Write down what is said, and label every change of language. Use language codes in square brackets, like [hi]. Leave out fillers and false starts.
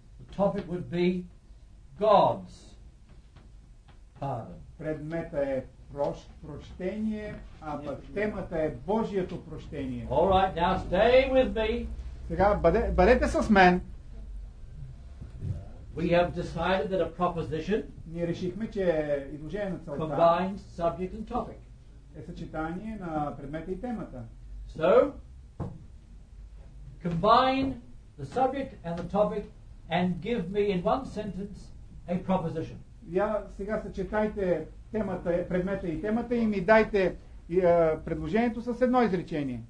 [en] The topic would be God's pardon. [bg] Предмета е прощение, а пък темата е Божието прощение. [en] All right, now stay with me. [bg] Сега бъдете с мен. [en] We have decided that a proposition [bg] ние решихме, че изложение на целта [en] combines subject and topic. [bg] Е съчетание на предмета и темата. [en] So, combine the subject and the topic and give me in one sentence a proposition. [bg] Я сега съчетайте темата, предмета и темата и ми дайте предложението с едно изречение.